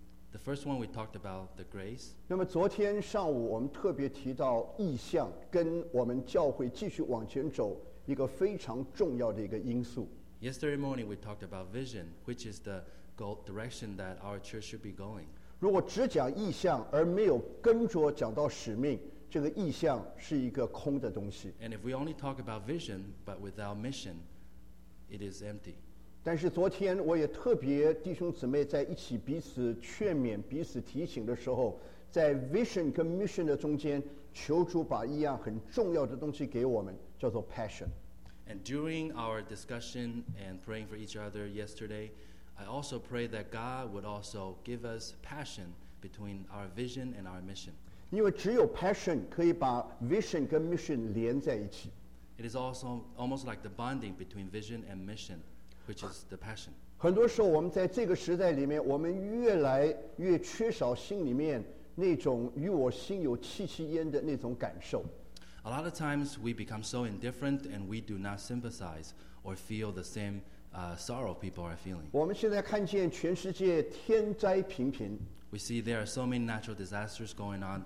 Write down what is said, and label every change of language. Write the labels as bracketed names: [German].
[English] The first one we talked about the grace. [Chinese] 那么昨天上午我们特别提到意向跟我们教会继续往前走一个非常重要的一个因素。 [English] Yesterday morning we talked about vision, which is the direction that our church should be going. [Chinese] 如果只讲意向而没有跟着讲到使命，这个意向是一个空的东西。 [English] And if we only talk about vision but without mission, it is empty. [Chinese] 但是昨天我也特别弟兄姊妹在一起彼此劝勉、彼此提醒的时候，在 vision 跟 mission 的中间，求主把一样很重要的东西给我们，叫做 passion。 [English] And during our discussion and praying for each other yesterday, I also pray that God would also give us passion between our vision and our mission. [Chinese] 因为只有 passion 可以把 vision 跟 mission 连在一起。 [English] It is also almost like the bonding between vision and mission, which is the passion. [Chinese] 很多时候我们在这个时代里面，我们越来越缺少心里面那种与我心有戚戚焉的那种感受。 [English] A lot of times we become so indifferent and we do not sympathize or feel the same sorrow people are feeling. [Chinese] 我们现在看见全世界天灾频频。 [English] We see there are so many natural disasters going on.